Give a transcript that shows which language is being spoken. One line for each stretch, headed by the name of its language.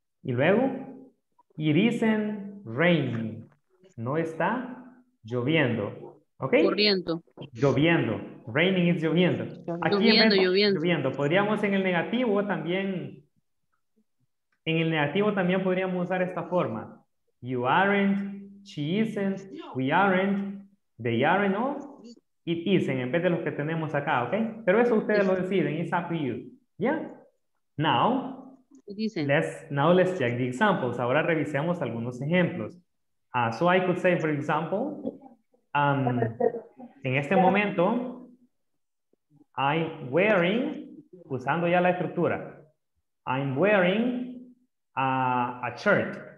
Spanish: Y luego,
English: it isn't raining.
Spanish: No está lloviendo. ¿Ok? Corriendo. Lloviendo. Raining is lloviendo. Aquí lloviendo, momento, lloviendo. Lloviendo. Podríamos en el negativo también. En el negativo también podríamos usar esta forma.
English: You aren't, she isn't, we aren't, they aren't, no. It isn't,
Spanish: en vez de los que tenemos acá, ¿ok? Pero eso ustedes lo deciden,
English: it's up to you. ¿Ya? Now, let's check the examples.
Spanish: Ahora revisemos algunos ejemplos.
English: So I could say, for example,
Spanish: en este momento,
English: I'm wearing,
Spanish: usando ya la estructura,
English: I'm wearing a shirt.